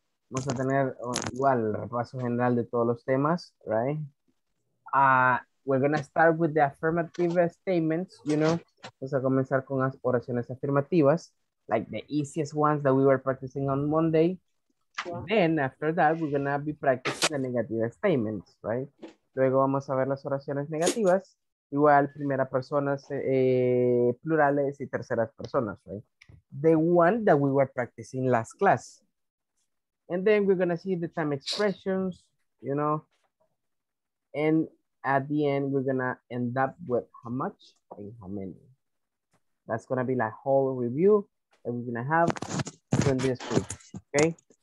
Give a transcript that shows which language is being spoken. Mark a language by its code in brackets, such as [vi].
[es] Vamos a tener igual repaso general de todos los temas, right? [en] We're gonna start with the affirmative statements, you know? [es] Vamos a comenzar con las oraciones afirmativas, [en] like the easiest ones that we were practicing on Monday. Yeah. Then after that, we're gonna be practicing the negative statements, right? [es] Luego vamos a ver las oraciones negativas, igual primera personas, plurales y terceras personas, right? [en] The one that we were practicing last class. And then we're gonna see the time expressions, you know? And at the end, we're gonna end up with how much and how many. That's gonna be like whole review that we're gonna have in this week, okay?